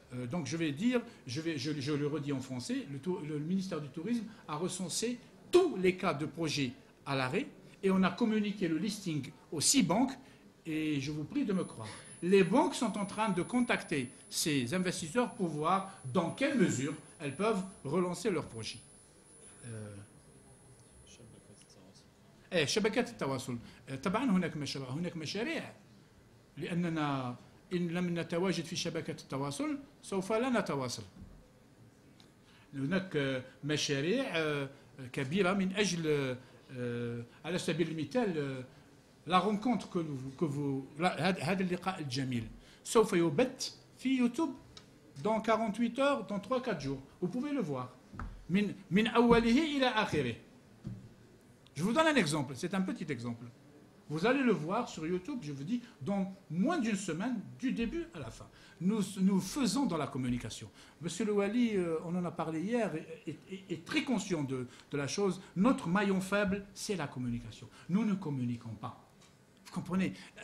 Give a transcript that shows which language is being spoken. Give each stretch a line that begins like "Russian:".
French: Donc je le redis en français, le ministère du Tourisme a recensé tous les cas de projets à l'arrêt et on a communiqué le listing aux 6 banques et je vous prie de me croire. Les banques sont en train de contacter ces investisseurs pour voir dans quelle mesure elles peuvent relancer leur projet.
Arabic: إيه شبكات التواصل طبعا هناك مشاريع لأننا إن لم نتواجد في شبكة التواصل سوف لا نتواصل. هناك مشاريع كبيرة من أجل على سبيل المثال لا رونكونتر كو هذا اللقاء الجميل سوف يبث في يوتيوب دون 48 اور دون 3-4 جور و
French: pouvez le voir
Arabic: من أوله إلى آخره.
French: Je vous donne un exemple, c'est un petit exemple. Vous allez le voir sur YouTube, je vous dis, dans moins d'une semaine, du début à la fin. Nous faisons dans la communication. Monsieur le Wali, on en a parlé hier, est très conscient de la chose. Notre maillon faible, c'est la communication. Nous ne communiquons pas. Vous comprenez?